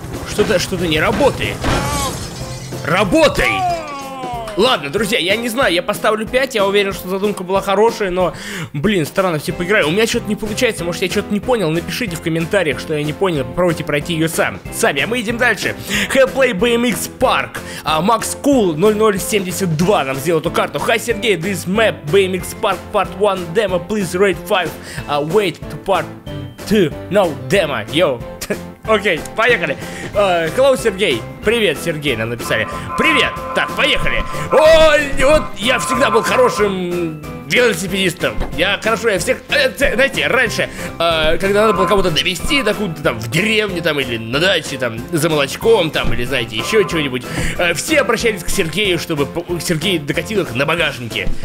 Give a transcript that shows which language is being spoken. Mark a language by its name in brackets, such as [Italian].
[Russian] Что-то не работает. Работай! Ладно, друзья, я не знаю, я поставлю 5, я уверен, что задумка была хорошая, но, блин, странно, все поиграю. У меня что-то не получается, может, я что-то не понял, напишите в комментариях, что я не понял, попробуйте пройти ее сами, а мы идем дальше. Hellplay BMX Park, Max Cool 0072 нам сделал эту карту. [English] Hi, Сергей, this map BMX Park Part 1 Demo, please rate 5, wait to Part 2, no, Demo, yo. [Russian] Окей, поехали. [English] Hello, Сергей. [Russian] Привет, Сергей, нам написали. Привет. Так, поехали. Вот я всегда был хорошим велосипедистом. Знаете, раньше, когда надо было кого-то довезти докуда-то там, в деревне там, или на даче там, за молочком там, или, знаете, еще чего-нибудь, все обращались к Сергею, чтобы Сергей докатил их на багажнике.